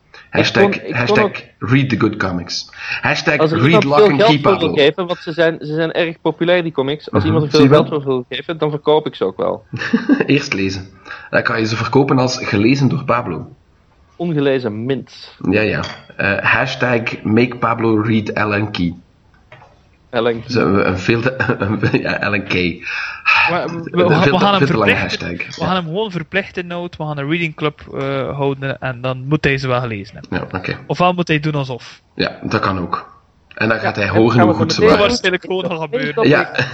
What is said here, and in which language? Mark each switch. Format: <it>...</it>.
<en>Hashtag read the good comics. Hashtag read Lock and Key Pablo.</en> <nl>Geven, want ze zijn erg populair, die comics. Als iemand er veel geld voor wil geven, dan verkoop ik ze ook wel. Eerst lezen. Dan kan je ze verkopen als gelezen door Pablo. Ongelezen mint. Ja, ja.</nl> <en>Hashtag make Pablo read Alan Key. Alan Key. Alan Key.</en> <nl>We gaan hem gewoon verplichten, nood. We gaan een reading club houden en dan moet hij ze wel gelezen hebben. Ja, okay. Ofwel moet hij doen alsof. Ja, dat kan ook. En dan gaat hij horen hoe goed ze waren. Dat gaat waarschijnlijk gewoon al gebeuren. Ja.</nl>